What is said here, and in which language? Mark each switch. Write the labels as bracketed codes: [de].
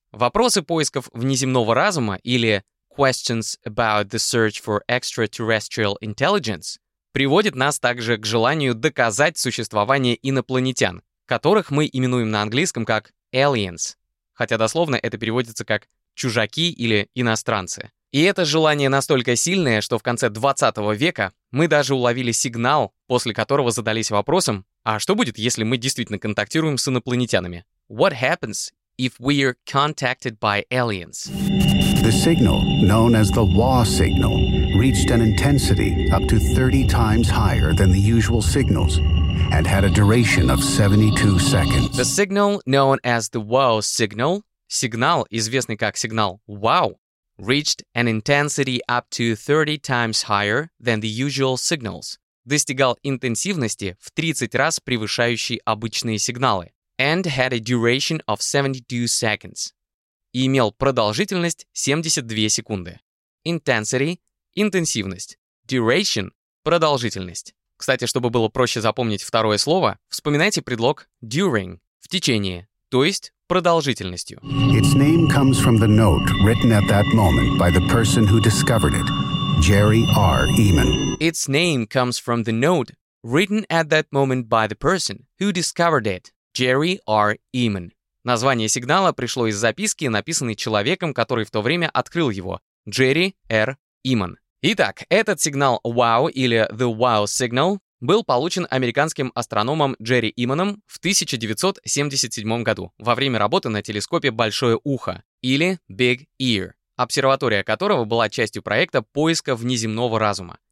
[ru] Вопросы поисков внеземного разума или [en] questions about the search for extraterrestrial intelligence [ru] приводит нас также к желанию доказать существование инопланетян, которых мы именуем на английском как aliens, хотя дословно это переводится как чужаки или иностранцы. И это желание настолько сильное, что в конце 20 века мы даже уловили сигнал, после которого задались вопросом, а что будет, если мы действительно контактируем с инопланетянами? [en] What happens if we are contacted by aliens? The signal, known as the Waugh signal, reached an intensity up to 30 times higher than the usual signals and had a duration of 72 seconds. The signal, known as the Waugh signal, [ru] сигнал, известный как сигнал Waugh, [en] reached an intensity up to 30 times higher than the usual signals, [ru] достигал интенсивности в 30 раз превышающей обычные сигналы, [en] and had a duration of 72 seconds. [ru] И имел продолжительность 72 секунды. Intensity – интенсивность. Duration – продолжительность. Кстати, чтобы было проще запомнить второе слово, вспоминайте предлог during – в течение, то есть продолжительностью. [en] Its name comes from the note written at that moment by the person who discovered it – Jerry R. Eamon. Its name comes from the note written at that moment by the person who discovered it – Jerry R. Eamon. [ru] Название сигнала пришло из записки, написанной человеком, который в то время открыл его, Джерри Р. Иман. Итак, этот сигнал Waugh или The Waugh Signal был получен американским астрономом Джерри Иманом в 1977 году во время работы на телескопе «Большое ухо» или Big Ear, обсерватория которого была частью проекта поиска внеземного разума.